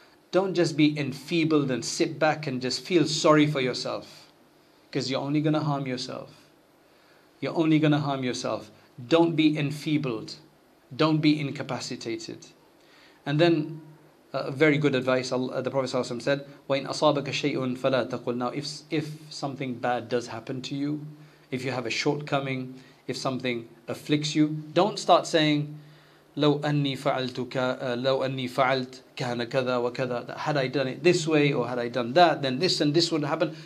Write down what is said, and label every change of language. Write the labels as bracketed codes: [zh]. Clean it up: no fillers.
[en] Don't just be enfeebled and sit back and just feel sorry for yourself, because you're only going to harm yourself. You're only going to harm yourself. Don't be enfeebled. Don't be incapacitated. And then very good advice. [ar] The Prophet ﷺ said, وَإِنْ أَصَابَكَ شَيْءٌ فَلَا تَقُلْ. [en] Now if something bad does happen to you, if you have a shortcoming, if something afflicts you, don't start saying, [ar] لَوْ أَنِّي فَعَلْتُكَ لَوْ أَنِّي فَعَلْتْ كَانَ كَذَا وَكَذَا. [en] That had I done it this way, or had I done that, then this and this would happen.